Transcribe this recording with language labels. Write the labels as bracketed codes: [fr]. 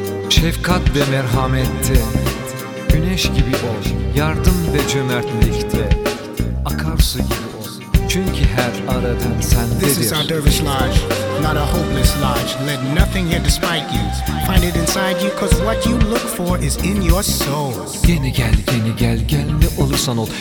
[tr] Şefkat ve merhamette, güneş gibi ol, yardım ve cömertlikte, akarsu gibi. Çünkü her aradığın sendedir. [en] This is our dervish lodge, not a hopeless lodge. Let nothing here despite you. Find it inside you, cause what you look for is in your soul. [tr] Yeni gel, yeni gel, gel ne olursan ol.